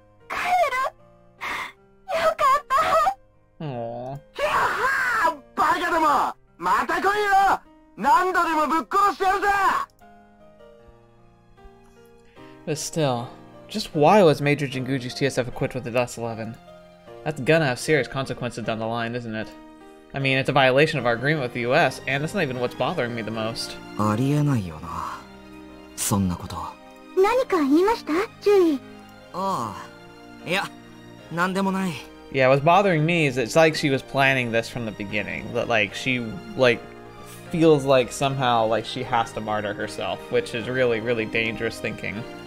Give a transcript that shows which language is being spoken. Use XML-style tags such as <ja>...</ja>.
<ja>了解。よっしゃ。これにて一件落着。これに懲りたら二度と来るんじゃねえぞ、クソベータどもが。終わった。これで帰る。よかった。おお。やっはー、バカども。また来いよ。度でもぶっ殺しちゃうぜ。</ja> <en>But still, just why was Major Jinguji's TSF equipped with the Dust 11? That's gonna have serious consequences down the line, isn't it? I mean, it's a violation of our agreement with the US, and that's not even what's bothering me the most.</en> <ja>ありえないよな、そんなこと。何か言いました、ジュイ。ああ、いや、なんでもない。</ja> <en>Yeah, what's bothering me is it's like she was planning this from the beginning. That, like, she, like, feels like somehow, like, she has to martyr herself, which is really, really dangerous thinking.</en>